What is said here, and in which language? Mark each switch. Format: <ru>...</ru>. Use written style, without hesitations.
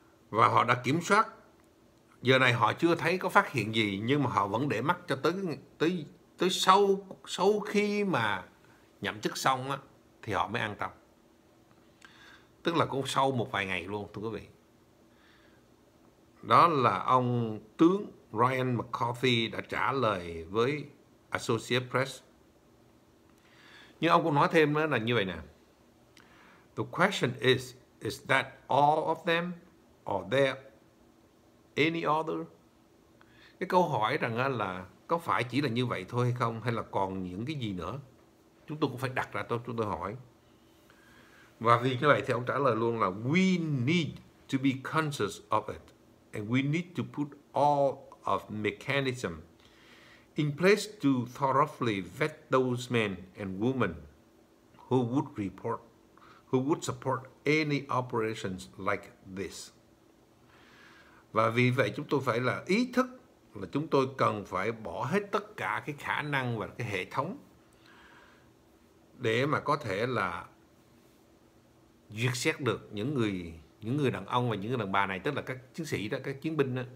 <vi>Và họ đã kiểm soát. Giờ này họ chưa thấy có phát hiện gì, nhưng mà họ vẫn để mắt cho tới sau khi mà nhậm chức xong á, thì họ mới an tâm. Tức là cũng sau một vài ngày luôn, thưa quý vị. Đó là ông tướng Ryan McCarthy đã trả lời với Associated Press. Nhưng ông cũng nói thêm nữa là như vậy nè.</vi> <en>The question is that all of them or there any other?</en> <vi>Cái câu hỏi rằng là có phải chỉ là như vậy thôi hay không? Hay là còn những cái gì nữa? Chúng tôi cũng phải đặt ra chúng tôi hỏi. Và vì như vậy thì ông trả lời luôn là</vi> <en>we need to be conscious of it and we need to put all of mechanism in place to thoroughly vet those men and women who would report, who would support any operations like this.</en> <vi>Và vì vậy chúng tôi phải là ý thức là chúng tôi cần phải bỏ hết tất cả cái khả năng và cái hệ thống để mà có thể là duyệt xét được những người đàn ông và những người đàn bà này, tức là các chiến sĩ đó, các chiến binh đó.</vi>